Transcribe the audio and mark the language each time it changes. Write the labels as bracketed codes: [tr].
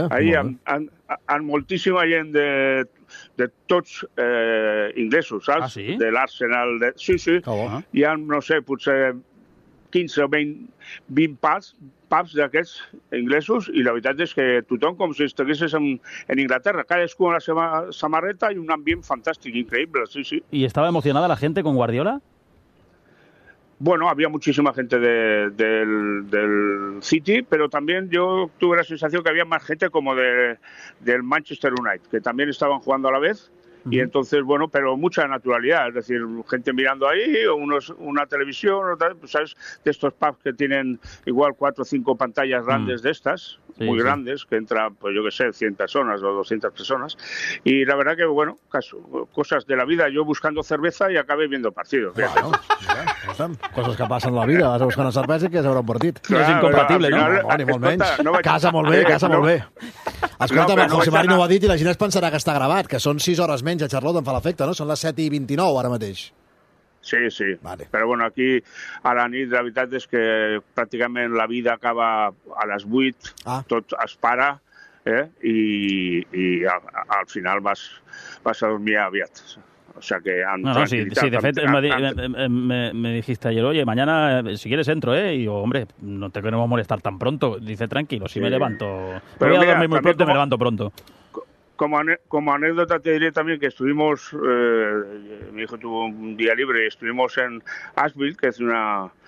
[ca] Ahir, amb moltíssima gent de tots inglesos, saps? Ah, sí? De l'Arsenal, sí. Hi ha, no sé, potser 15 o 20 pubs d'aquests inglesos, i la veritat és que tothom com si estiguessis en Inglaterra, cadascú amb la seva samarreta i un ambient fantàstic, increïble, sí. [es] ¿Y estaba emocionada la gente con Guardiola? Bueno, había muchísima gente del City, pero también yo tuve la sensación que había más gente como del Manchester United, que también estaban jugando a la vez. Y entonces, bueno, pero mucha naturalidad, es decir, gente mirando ahí, una televisión, pues, ¿sabes? De estos pubs que tienen igual 4 o 5 pantallas grandes de estas, sí, muy grandes, que entra, pues yo qué sé, 100 personas o 200 personas. Y la verdad que, bueno, cosas de la vida, yo buscando cerveza y acabé viendo partidos. Bueno, cosas que pasan en la vida, vas a buscar una cerveza y quieres ver un partido. Claro, es incompatible, final, ¿no? [ca] Ni molt menys. Casa molt bé, casa molt bé. Escolta, no, José Mari no ho ha dit i la gent es pensarà que està gravat, que són 6 hores menys a Charlotte, em fa l'efecte, no? Són les 7:29 ara mateix. Sí, sí. Vale. Però, bueno, aquí a la nit, la veritat és que pràcticament la vida acaba a les 8, tot es para, i al final vas a dormir aviat. [es] O sea que [ca] de fet, [es] me dijiste ayer, oye, mañana, si quieres, entro, ¿eh? Y digo, hombre, no te queremos molestar tan pronto. Dice, tranquilo, si me levanto. Pero voy a dormir muy pronto y me levanto pronto. Como anécdota te diré también que estuvimos, mi hijo tuvo un día libre, estuvimos en Asheville, que es una